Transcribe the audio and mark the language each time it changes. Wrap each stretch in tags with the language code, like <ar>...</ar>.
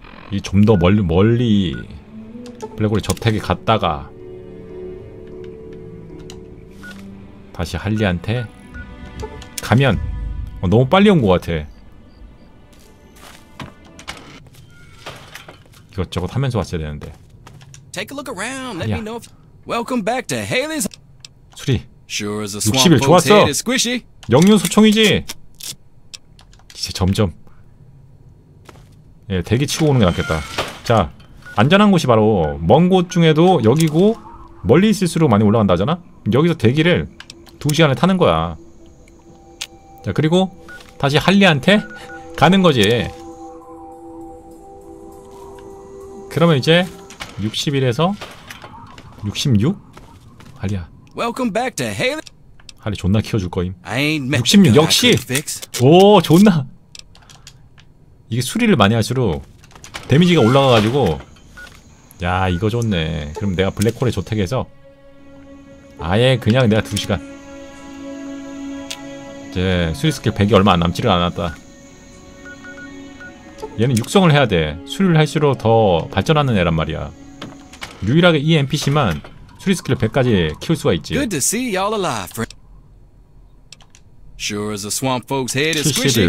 <ko>이 좀 더 멀리 블랙홀의 저택에 갔다가 다시 할리한테 가면. 너무 빨리 온 것 같아. 이것저것 하면서 왔어야 되는데.</ko> <en>Take a look around. Let me know. Welcome back to Haley's.</en> <ko>수리.</ko> <en>Sure as a swamp folks head is squishy.</en> <ko>역류소총이지. 이제 점점. 예, 대기 치고 오는 게 낫겠다. 자, 안전한 곳이 바로 먼 곳 중에도 여기고 멀리 있을수록 많이 올라간다잖아? 여기서 대기를 2시간을 타는 거야. 자, 그리고 다시 할리한테 가는 거지. 그러면 이제 61에서 66? 할리야.</ko> <en>Welcome back to Hale.</en> <ko>할리 존나 키워줄 거임. 66 역시. 오, 존나. 이게 수리를 많이 할수록 데미지가 올라가 가지고, 야, 이거 좋네. 그럼 내가 블랙홀에 저택해서 아예 그냥 내가 2시간. 이제 수리 스킬 100이 얼마 안 남지를 않았다. 얘는 육성을 해야 돼. 수리를 할수록 더 발전하는 애란 말이야. 유일하게 이 NPC만 수리 스킬 100까지 키울 수가 있지.</ko> <en>Good to see y'all alive. Sure as a swamp folks head is squishy.</en>